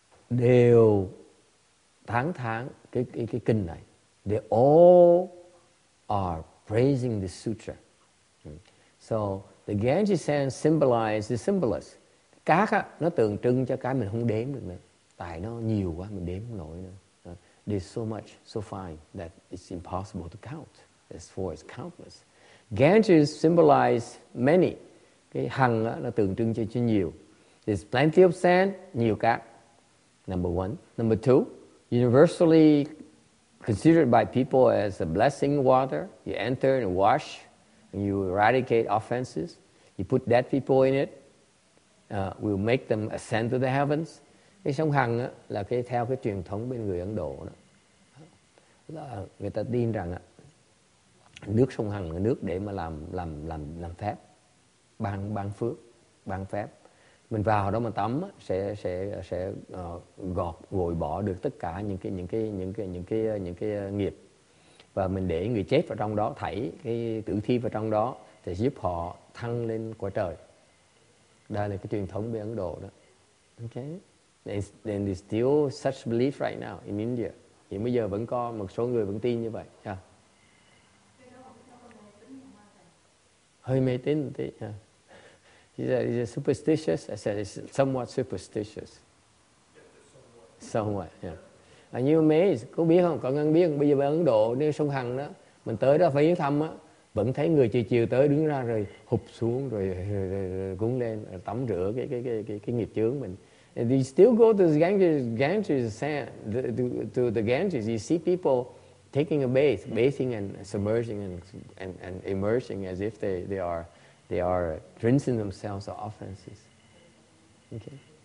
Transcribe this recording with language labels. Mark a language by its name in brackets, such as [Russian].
[Vietnamese] Đều tháng cái kinh này, [English] they all are praising the sutra. So the Ganges sands symbolize the symbolist. [Vietnamese] Cát á, nó tượng trưng cho cái mình không đếm được nữa. Tại nó nhiều quá, mình đếm không nổi nữa. [English] There's so much, so fine, that it's impossible to count. As far as countless. Ganges symbolize many. [Vietnamese] Cái hằng á, nó tượng trưng cho nhiều. [English] There's plenty of sand, [Vietnamese] nhiều cát. [English] Number one. Number two, universally considered by people as a blessing water. You enter and wash. You eradicate offenses. You put dead people in it. Will make them ascend to the heavens. [Vietnamese] Cái sông Hằng á, là cái theo cái truyền thống bên người Ấn Độ đó. Là người ta tin rằng á, nước sông Hằng là nước để mà làm phép, ban phước, ban phép. Mình vào đó mà tắm á, sẽ gọt gội bỏ được tất cả những cái nghiệp. Và mình để người chết vào trong đó, thảy cái tử thi vào trong đó thì giúp họ thăng lên quả trời. Đây là cái truyền thống bên Ấn Độ đó. [English] Okay. And there's still such belief right now in India. [Vietnamese] Hiện bây giờ vẫn có một số người vẫn tin như vậy. [English] Yeah. [Vietnamese] Hơi mê tín một tí. Yeah. [English] Is it superstitious? I said it's somewhat superstitious. Somewhat, yeah. Are you amazed? [Vietnamese] Có biết không? Có ngân biết không? Bây giờ bên Ấn Độ, nếu sông Hằng đó, mình tới đó phải viếng thăm á, vẫn thấy người chiều tới đứng ra rồi hụp xuống rồi cuốn lên, rồi tắm rửa cái nghiệp chướng mình. [English] And you still go to the Ganges sand, to the Ganges, you see people taking a bath, bathing and submerging and immersing as if they are rinsing themselves of offenses. Okay.